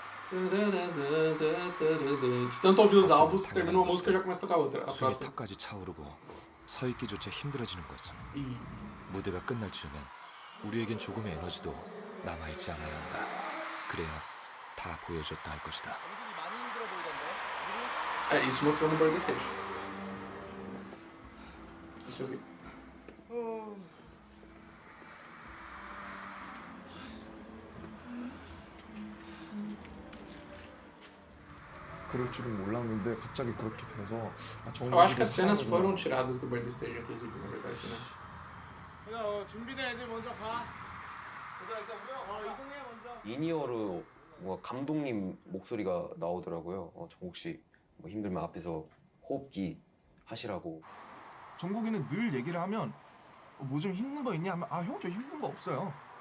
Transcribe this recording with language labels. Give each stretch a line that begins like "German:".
Portuguese: De tanto ouvir os álbuns, termina uma música e já começa a tocar outra. A próxima.
Korean: 서 있기조차 힘들어지는 것은 무대가 끝날 즈음엔 우리에겐 조금의 에너지도 남아 있지 않아야 한다. 그래야 다 보여줬다 할 것이다. 많이 힘들어 보이던데. 아, 이 스모스 가는 거 알겠어요. 저기. 그럴 줄은 몰랐는데 갑자기 그렇게 돼서 아 정말
Portuguese: Eu acho que as cenas foram tiradas do Bird Stage, inclusive, na verdade, né?
Korean: 야, 준비된 애들 먼저 가. 그다음에 이제 그냥 이 동네에 먼저. 이니어로 뭔가 감독님 목소리가 나오더라고요. 저 혹시 뭐 힘들면 앞에서 호흡기 하시라고. 정국이는 늘 얘기를 하면 뭐 좀 힘든 거 있냐 하면 아, 형 저 힘든 거 없어요.